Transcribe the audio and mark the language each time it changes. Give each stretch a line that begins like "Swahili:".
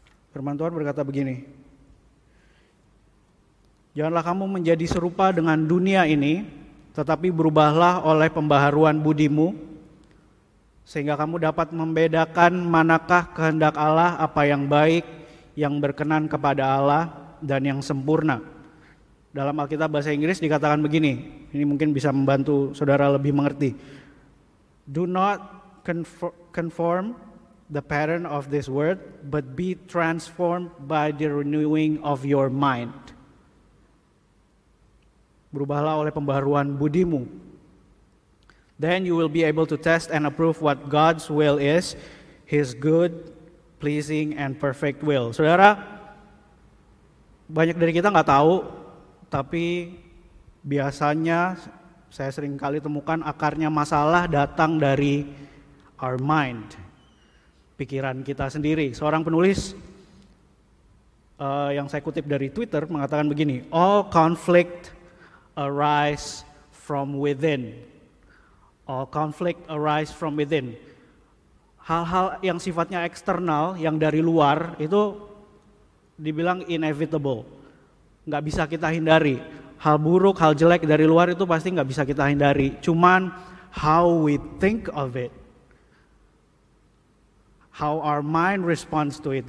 Indonesian: Firman Tuhan berkata begini, janganlah kamu menjadi serupa dengan dunia ini, tetapi berubahlah oleh pembaharuan budimu, sehingga kamu dapat membedakan manakah kehendak Allah, apa yang baik, yang berkenan kepada Allah, dan yang sempurna. Dalam Alkitab bahasa Inggris dikatakan begini, ini mungkin bisa membantu saudara lebih mengerti.
English: Do not conform the pattern of this world, but be transformed by the renewing of your mind.
Indonesian: Berubahlah oleh pembaharuan budimu.
English: Then you will be able to test and approve what God's will is, His good, pleasing, and perfect will.
Indonesian: Saudara, banyak dari kita gak tahu, tapi biasanya saya sering kali temukan akarnya masalah datang dari
English: our mind,
Indonesian: pikiran kita sendiri. Seorang penulis yang saya kutip dari Twitter mengatakan begini,
English: all conflict arise from within. All conflict arise from within.
Indonesian: Hal-hal yang sifatnya eksternal, yang dari luar, itu dibilang inevitable. Gak bisa kita hindari. Hal buruk, hal jelek dari luar itu pasti gak bisa kita hindari. Cuman,
English: how we think of it. How our mind responds to it.